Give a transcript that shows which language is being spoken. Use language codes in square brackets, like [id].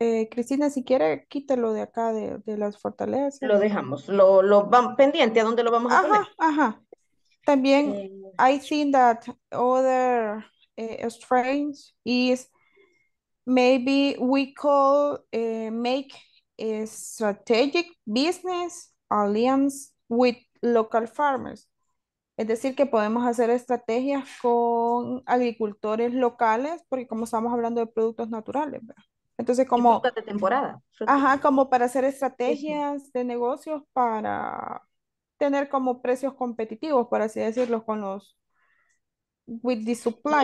[es] Cristina, si quiere, quítalo de acá, de las fortalezas. Lo dejamos, lo van pendiente, ¿a dónde lo vamos a ajá, poner? Ajá, ajá. [en] También, I think that other strains is maybe we could make a strategic business alliance with local farmers. [es] Es decir, que podemos hacer estrategias con agricultores locales, porque como estamos hablando de productos naturales, ¿verdad? Entonces, como frutas de temporada. Ajá, como para hacer estrategias de negocios para tener como precios competitivos, por así decirlo, con los [en] with the suppliers.